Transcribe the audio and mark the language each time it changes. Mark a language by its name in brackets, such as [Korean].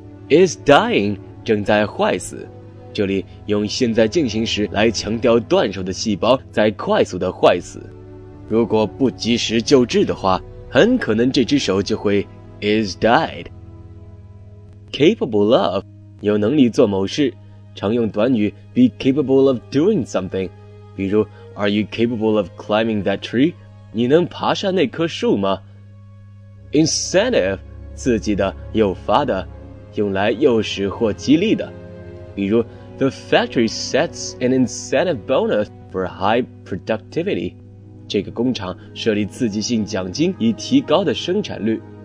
[English] Is dying, [Chinese] 正在坏死，这里用现在进行时来强调断手的细胞在快速的坏死。如果不及时救治的话，很可能这只手就会 [English] is died。 Capable of, [Chinese] 有能力做某事，常用短语 [English] be capable of doing something, [Chinese] 比如 [English] are you capable of climbing that tree? [Chinese] 你能爬上那棵树吗？ Incentive, 刺激的，诱发的，用来诱使或激励的，比如 [English] the factory sets an incentive bonus for high productivity, [Chinese] 这个工厂设立刺激性奖金以提高的生产率。